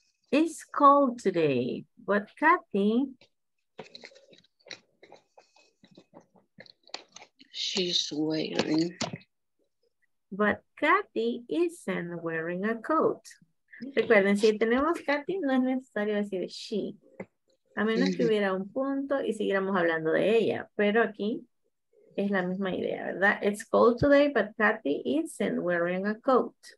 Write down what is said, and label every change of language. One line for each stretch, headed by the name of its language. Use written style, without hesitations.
English: It's cold today, but Kathy, Kathy isn't wearing a coat.
Spanish: Recuerden, si tenemos Kathy, no es necesario decir she. A menos que hubiera un punto y siguiéramos hablando de ella. Pero aquí es la misma idea, ¿verdad?
English: It's cold today, but Kathy isn't wearing a coat.